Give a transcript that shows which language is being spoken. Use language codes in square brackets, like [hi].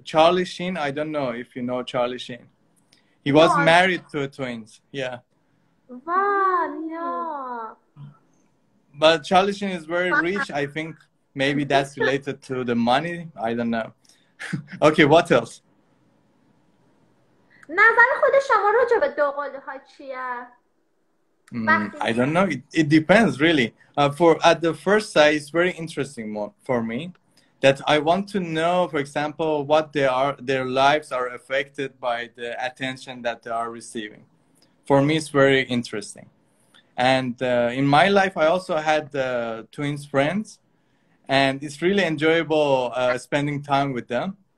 [en] Charlie Sheen, I don't know if you know Charlie Sheen. He was married to a twins. Yeah. Wow, no. But Charlie Sheen is very rich. I think maybe that's related to the money. I don't know. Okay, what else? [fa] نظر خود شما راجع به دو قلوها چیه؟ [en] I don't know. It depends really. For at the first sight, it's very interesting for me that I want to know, for example, what they are, their lives are affected by the attention that they are receiving. For me, it's very interesting. And in my life, I also had twins friends, and it's really enjoyable spending time with them.